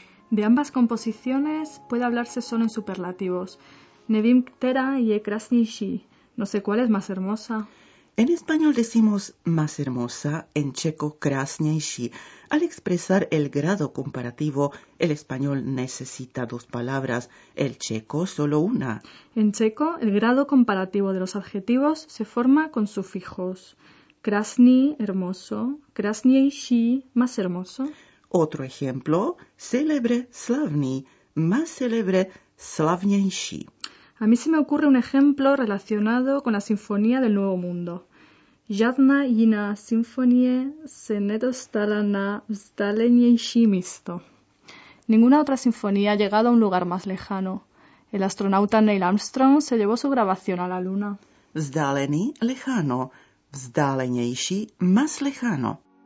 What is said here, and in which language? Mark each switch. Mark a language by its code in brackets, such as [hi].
[es] De ambas composiciones puede hablarse solo en superlativos. [cs] Nevím která je krásnější. [es] No sé cuál es más hermosa. En español decimos más hermosa, en checo krásnější. Al expresar el grado comparativo, el español necesita dos palabras, el checo solo una. En checo, el grado comparativo de los adjetivos se forma con sufijos. Krásný, hermoso, krásnější, más hermoso. Otro ejemplo, célebre, slavný, más célebre, slavnější. A mí se me ocurre un ejemplo relacionado con la Sinfonía del Nuevo Mundo. [cs] Žádná jiná sinfonie se nedostala na vzdálenější místo. [es] Ninguna otra sinfonía ha llegado a un lugar más lejano. El astronauta Neil Armstrong se llevó su grabación a la Luna. Vzdálený, lejano, vzdálenější, más lejano.